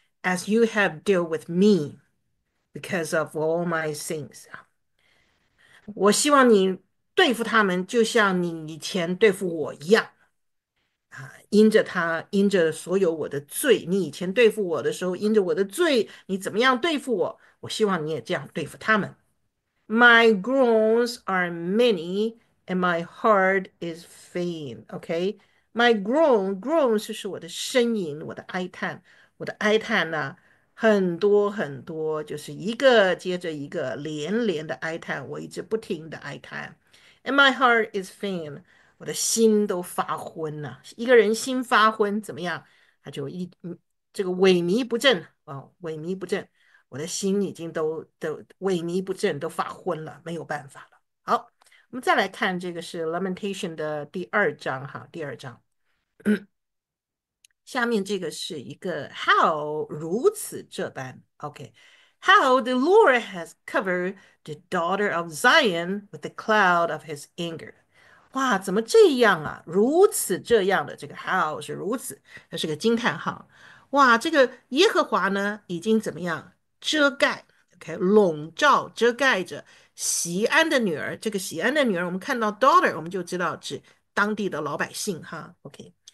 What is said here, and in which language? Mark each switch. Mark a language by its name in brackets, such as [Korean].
[English] As you have dealt with me because of all my sins， [Chinese] 我希望你对付他们，就像你以前对付我一样，啊，因着所有我的罪，你以前对付我的时候，因着我的罪，你怎么样对付我？我希望你也这样对付他们。 [English] My groans are many and my heart is faint. [Chinese] OK，my groan 是我的呻吟，我的哀叹。我的哀叹呢，很多很多，就是一个接着一个连连的哀叹，我一直不停的哀叹。 [English] And my heart is faint， [Chinese] 我的心都发昏了。一个人心发昏怎么样？他就这个萎靡不振啊，萎靡不振，我的心已经都萎靡不振，都发昏了，没有办法了。好，我们再来看这个是 Lamentation 的第二章哈，第二章。下面这个是一个 [English] How [Chinese] 如此这般， [English] OK？How the Lord has covered the daughter of Zion with the cloud of His anger？ [Chinese] 哇，怎么这样啊？如此这样的这个 How 是如此，它是个惊叹号。哇，这个耶和华呢，已经怎么样遮盖？OK，笼罩遮盖着锡安的女儿。这个锡安的女儿，我们看到 daughter，我们就知道指当地的老百姓哈。OK。